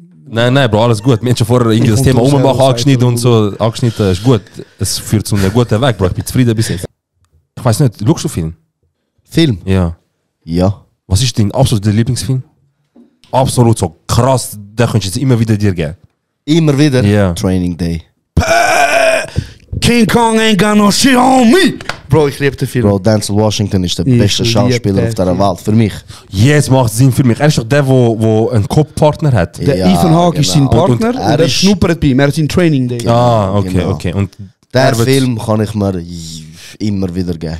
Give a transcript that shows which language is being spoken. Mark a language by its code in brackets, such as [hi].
[de] Nein, Bro, alles gut. Wir haben schon vorher irgendwie das Thema ummachen angeschnitten und so. Angeschnitten ist gut. Es führt zu einem guten Weg, Bro. Ich bin zufrieden bis jetzt. Ich weiß nicht, schaust du Film? Film? Ja. Ja. Was ist dein absoluter Lieblingsfilm? Absolut so krass, den könntest du jetzt immer wieder dir geben. Immer wieder? Ja. Yeah. Training Day. [en] King Kong ain't got no shit on me! [de] Bro, ich liebe den Film. Bro, Denzel Washington ist der beste Schauspieler auf dieser Welt. Für mich. Jetzt macht Sinn für mich. Er ist doch der, der einen Cop-Partner hat. Der ja, Ethan Hawke genau. Ist sein Partner und er schnuppert bei ihm. Er ist in Training Day. Ah, okay, genau. Okay. Und der Film kann ich mir immer wieder geben.